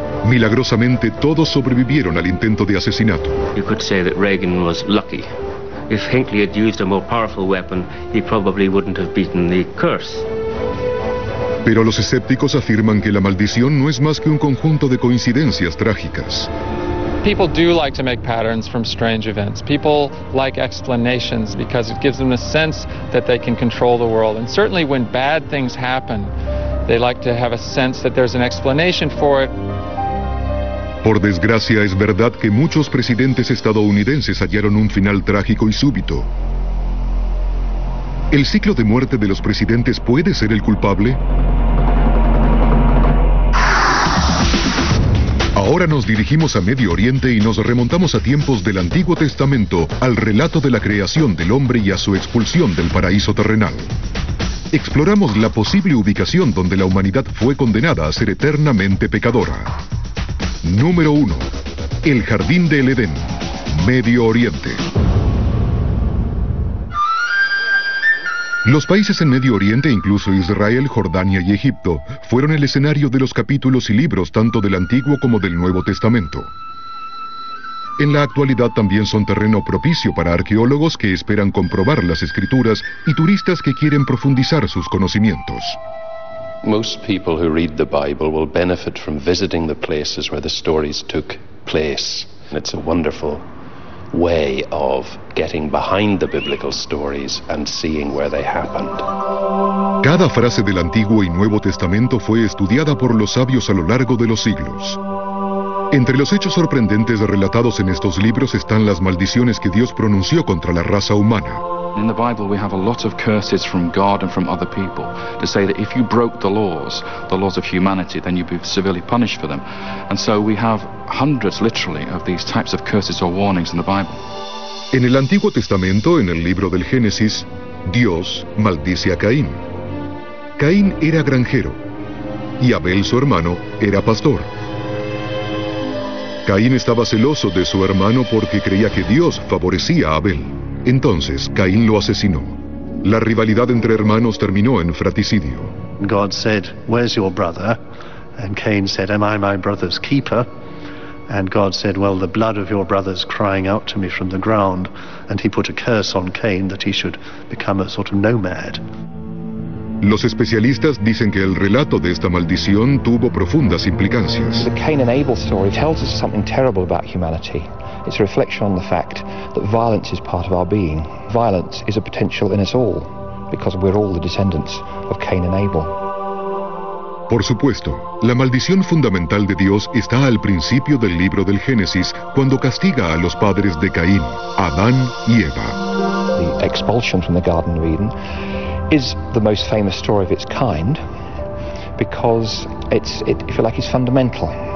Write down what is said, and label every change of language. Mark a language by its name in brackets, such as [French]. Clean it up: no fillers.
[Spanish] Milagrosamente, todos sobrevivieron al intento de asesinato. [English] You could say that Reagan was lucky. If Hinckley had used a more powerful weapon, he probably wouldn't have beaten the curse. [Spanish] Pero los escépticos afirman que la maldición no es más que un conjunto de coincidencias trágicas. [English] People do like to make patterns from strange events. People like explanations because it gives them a sense that they can control the world. And certainly when bad things happen, they like to have a sense that there's an explanation for it. [Spanish] Por desgracia, es verdad que muchos presidentes estadounidenses hallaron un final trágico y súbito. ¿El ciclo de muerte de los presidentes puede ser el culpable? Ahora nos dirigimos a Medio Oriente y nos remontamos a tiempos del Antiguo Testamento, al relato de la creación del hombre y a su expulsión del paraíso terrenal. Exploramos la posible ubicación donde la humanidad fue condenada a ser eternamente pecadora. Número 1. El Jardín del Edén, Medio Oriente. Los países en Medio Oriente, incluso Israel, Jordania y Egipto, fueron el escenario de los capítulos y libros tanto del Antiguo como del Nuevo Testamento. En la actualidad también son terreno propicio para arqueólogos que esperan comprobar las escrituras y turistas que quieren profundizar sus conocimientos. [English] Most people who read the Bible will benefit from visiting the places where the stories took place. It's a wonderful way of getting behind the biblical stories and seeing where they happened. [Spanish] Cada frase del Antiguo y Nuevo Testamento fue estudiada por los sabios a lo largo de los siglos. Entre los hechos sorprendentes relatados en estos libros están las maldiciones que Dios pronunció contra la raza humana. [English] In the Bible we have a lot of curses from God and from other people to say that if you broke the laws of humanity, then you'd be severely punished for them. And so we have hundreds, literally, of these types of curses or warnings in the Bible. [Spanish] En el Antiguo Testamento, en el libro del Génesis, Dios maldice a Caín. Caín era granjero, y Abel, su hermano, era pastor. Caín estaba celoso de su hermano porque creía que Dios favorecía a Abel. Entonces, Caín lo asesinó. La rivalidad entre hermanos terminó en fratricidio. [English] God said, "Where's your brother?" And Cain said, "Am I my brother's keeper?" And God said, "Well, the blood of your brother's crying out to me from the ground." And he put a curse on Cain that he should become a sort of nomad. [Spanish] Los especialistas dicen que el relato de esta maldición tuvo profundas implicancias. [English] The Cain and Abel story tells us something terrible about humanity. It's a reflection on the fact that violence is part of our being. Violence is a potential in us all, because we're all the descendants of Cain and Abel. [Spanish] Por supuesto, la maldición fundamental de Dios está al principio del libro del Génesis, cuando castiga a los padres de Caín, Adán y Eva. [English] The expulsion from the Garden of Eden is the most famous story of its kind, because it's fundamental.